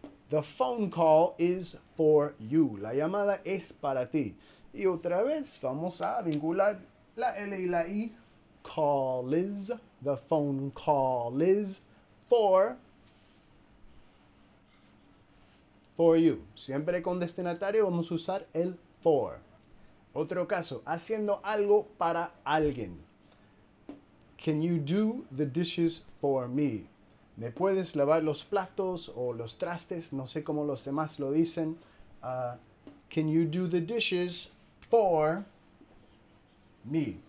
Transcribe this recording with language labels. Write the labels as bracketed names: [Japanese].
[English] The phone call is for you. [Spanish] La llamada es para ti. Y otra vez vamos a vincular la L y la I. [English] Call is, the phone call is for you. [Spanish] Siempre con destinatario vamos a usar el for. Otro caso, haciendo algo para alguien. [English] Can you do the dishes for me? [Spanish] ¿Me puedes lavar los platos o los trastes? No sé cómo los demás lo dicen. [English] Can you do the dishes for me?